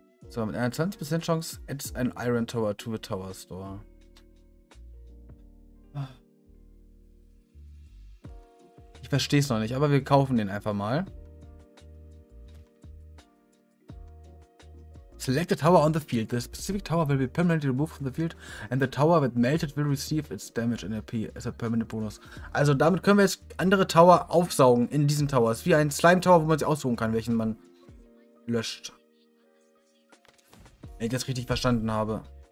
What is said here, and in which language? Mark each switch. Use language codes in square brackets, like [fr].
[de] So, mit einer [en] 20% Chance adds ein Iron Tower to the Tower Store. [de] Ich verstehe es noch nicht, aber wir kaufen den einfach mal. [en] Select a tower on the field. The specific tower will be permanently removed from the field and the tower that melted will receive its damage NRP as a permanent bonus. [de] Also damit können wir jetzt andere Tower aufsaugen in diesen Towers. Wie ein Slime Tower, wo man sie aussuchen kann, welchen man löscht. Wenn ich das richtig verstanden habe.